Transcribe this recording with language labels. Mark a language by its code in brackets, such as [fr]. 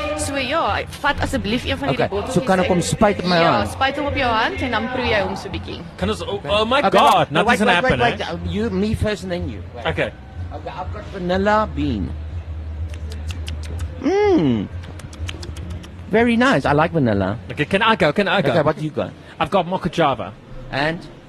[af] So ja, vat asseblief een van die bottels. So kan ek hom spuit op my hand? Ja, spuit hom op jou hand en dan proe jy hom so bietjie. Kan ons... [en] Oh my God, nothing's gonna happen, wait, you, me first and then you. Wait. Okay. Okay, I've got vanilla bean. Mmm. Very nice. I like vanilla. Okay, can I go? Can I go? Okay, what do you got? I've got mocha java. And?